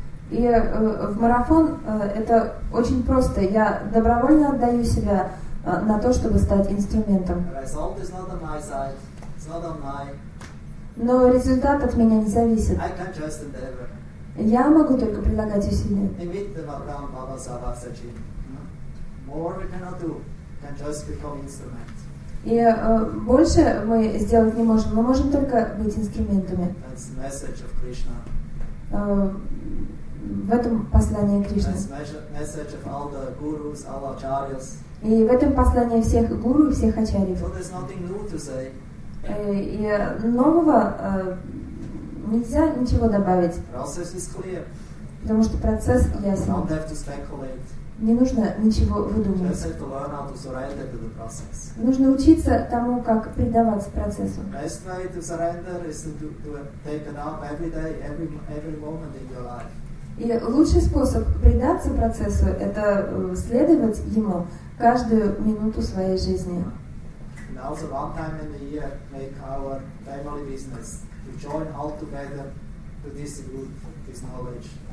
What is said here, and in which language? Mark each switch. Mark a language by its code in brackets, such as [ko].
[ru] И в марафон это очень просто. Я добровольно отдаю себя на то, чтобы стать инструментом. [en] Result is not on my side. It's not on my. [ru] Но результат от меня не зависит. [en] I can just endeavor. [ru] Я могу только прилагать усилия. И видите, там Баба Саваса Чин. [en] More we cannot do than just become instrument. [ru] И больше мы сделать не можем. Мы можем только быть инструментами. [en] That's the message of Krishna. [ru] В этом послании Кришны. [en] That's the message of all the gurus, all acharyas. [ru] И в этом послании всех гуру и всех ачарьев. [en] So there's nothing new to say. [ru] И нового нельзя ничего добавить. [en] Process is clear. [ru] Потому что процесс ясен. [en] Don't have to speculate. [ru] Не нужно ничего выдумывать. [en] Just have to learn how to surrender to the process. [ru] Нужно учиться тому, как предаваться процессу. [en] Best way to surrender is to take an up every day, every moment in your life. [ru] И лучший способ предаться процессу – это следовать ему каждую минуту своей жизни. [en] And also one time in the year make our family business to join all together to distribute this knowledge.